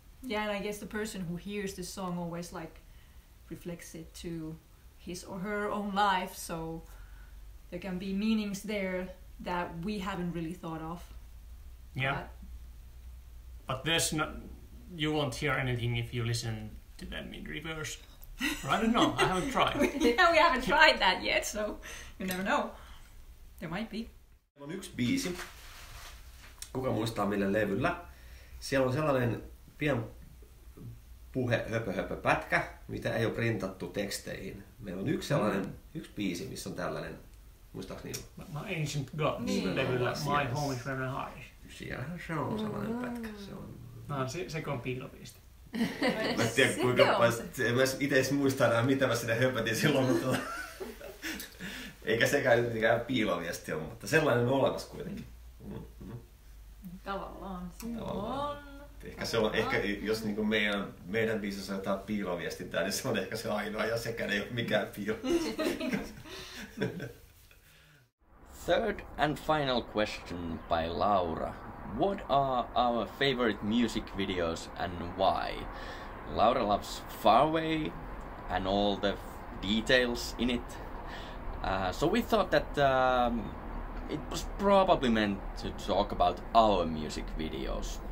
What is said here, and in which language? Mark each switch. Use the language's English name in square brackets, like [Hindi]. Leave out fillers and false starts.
[English] yeah, and I guess the person who hears the song always like reflects it to his or her own life, so there can be meanings there that we haven't really thought of. Yeah, but there's not, you won't hear anything if you listen to them in reverse. Or I don't know, I haven't tried. Yeah, we haven't tried that yet, so you never know. There might be. [Finnish] On yksi biisi. Kuka muistaa millä levyllä? Siellä on sellainen pian puhe höpö höpö pätkä, mitä ei ole printattu teksteihin. Meillä on yksi sellainen, yksi biisi, missä on tällainen, muistaaks niin? My Ancient Gods levyllä, My Home is Very High. Siellähän se on sellainen pätkä. Se on piilopiisti. Mä en tiedä kuinka paljon, en itse edes muista enää mitä mä sinne höpätin silloin. Mutta eikä sekään mitenkään piiloviesti ole, mutta sellainen on olemassa kuitenkin. Tavallaan. Ehkä se on, ehkä jos niinku meidän biisissä on jotain piiloviestintää, niin se on ehkä se ainoa ja sekään ei ole mikään piiloviestintä. [English] Third and final question by Laura. What are our favorite music videos and why? Laura loves Far Away and all the details in it. So we thought that it was probably meant to talk about our music videos.